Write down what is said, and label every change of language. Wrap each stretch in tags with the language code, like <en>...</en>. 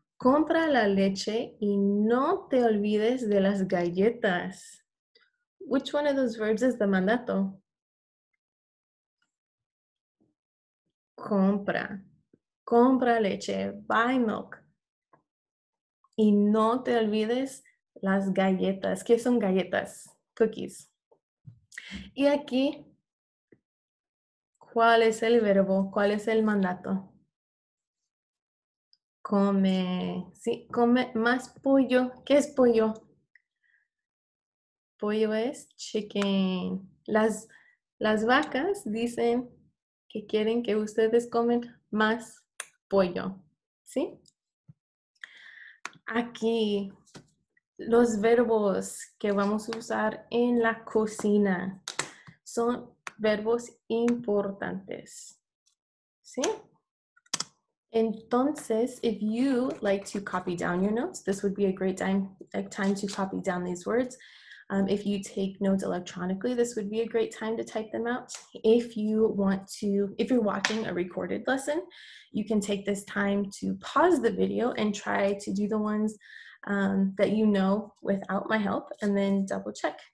<es>Compra la leche y no te olvides de las galletas.</es> <en>Which one of those verbs is the mandato?</en> <es>Compra. Compra leche.</es> <en>Buy milk.</en> <es>Y no te olvides las galletas. ¿Qué son galletas? Cookies. Y aquí, ¿cuál es el verbo? ¿Cuál es el mandato? Come. Sí, come más pollo. ¿Qué es pollo? Pollo es chicken. Las vacas dicen que quieren que ustedes comen más pollo. ¿Sí? Aquí, los verbos que vamos a usar en la cocina son verbos importantes. ¿Sí?</es> <en>Entonces, if you like to copy down your notes, this would be a great time to copy down these words. If you take notes electronically, this would be a great time to type them out. If you're watching a recorded lesson, you can take this time to pause the video and try to do the ones that you know without my help, and then double check.</en>